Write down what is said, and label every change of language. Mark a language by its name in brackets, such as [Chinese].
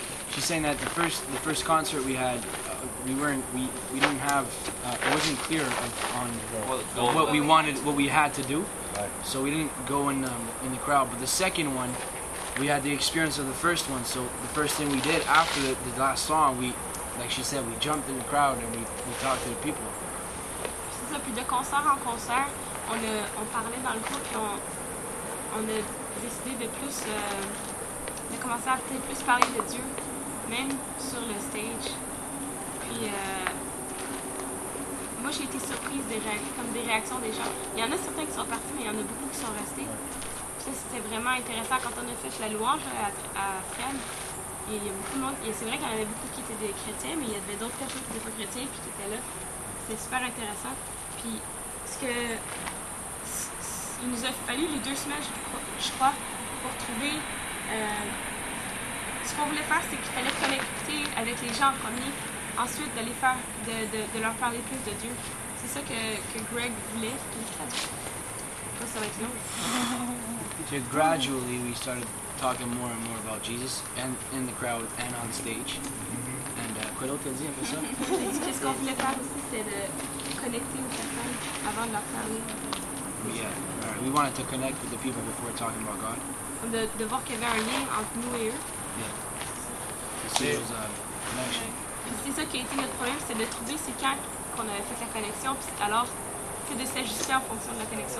[English] She's saying that the first concert we had, it wasn't clear on what we wanted, what we had to do. Right. So we didn't go in the crowd. But the second one, we had the experience of the first one. So the first thing we did after the last song, we, like she said, we jumped in the crowd and we talked to the people. [French] C'est ça, puis de concert en concert, on parlait dans le groupe et on a décidé de plus de commencer à peut-être plus parler de Dieu, même sur le stage. Puis moi j'ai été surprise des réactions des gens. Il y en a certains qui sont partis, mais il y en a beaucoup qui sont restés. Puis ça, c'était vraiment intéressant. Quand on a fait la louange à Fred, il y a beaucoup de monde. Et c'est vrai qu'il y en avait beaucoup qui étaient des chrétiens, mais il y avait d'autres personnes qui étaient pas chrétiens et qui étaient là. C'était super intéressant. Puis il nous a fallu les deux semaines, je crois, pour trouver. Ce qu'on voulait faire, c'est qu'il fallait connecter avec les gens en premier, ensuite d'aller faire, de leur parler plus de Dieu. C'est ça que Greg voulait. Ça va être long. [English] So gradually, we started talking more and more about Jesus, and in the crowd and on stage. [French] Mm-hmm. And quoi d'autre t'as dit un peu ça? Qu'est-ce qu'on voulait faire aussi, c'est de connecter aux personnes avant de leur parler. [English] Yeah, all right. We wanted to connect with the people before talking about God. [French] De voir qu'il y avait un lien entre nous et eux. [English] Yeah. To see those connections. [French] C'est ça qui a été notre problème, c'est de trouver c'est quand qu'on avait fait la connexion, puis alors que de s'ajuster en fonction de la connexion.